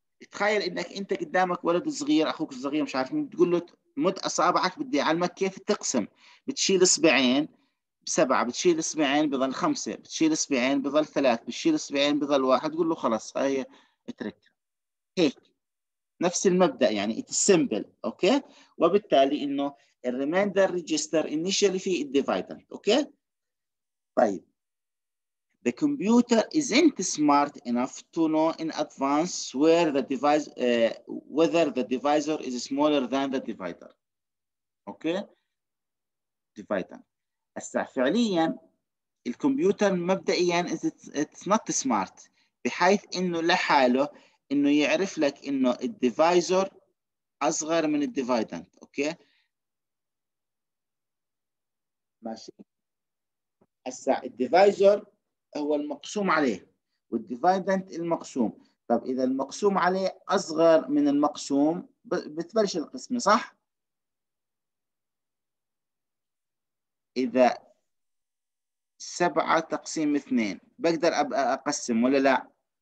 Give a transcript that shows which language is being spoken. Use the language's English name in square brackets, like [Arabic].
[Arabic] تخيل انك انت قدامك ولد صغير، اخوك الصغير مش عارف مين، بتقول له مد اصابعك بدي اعلمك كيف تقسم، بتشيل اصبعين بسبعة، بتشيل اصبعين بظل خمسة، بتشيل اصبعين بظل ثلاث، بتشيل اصبعين بظل واحد، تقول له خلاص هاي اترك هيك، نفس المبدأ يعني [English] it's simple. [Arabic] اوكي وبالتالي انه الريميندر ريجستر انيشيالي في الديفايدر. اوكي طيب [English] the computer isn't smart enough to know in advance where the device whether the divisor is smaller than the divider. [Arabic] اوكي ديفايدر هسه فعليا الكمبيوتر مبدئيا [English] it's not smart [Arabic] بحيث انه لحاله انه يعرف لك انه الديفايزر اصغر من الديفايدنت. اوكي ماشي هسه الديفايزر هو المقسوم عليه والديفايدنت المقسوم، طب اذا المقسوم عليه اصغر من المقسوم بتبلش القسمه صح؟ اذا 7 تقسيم 2 بقدر اقسم ولا لا؟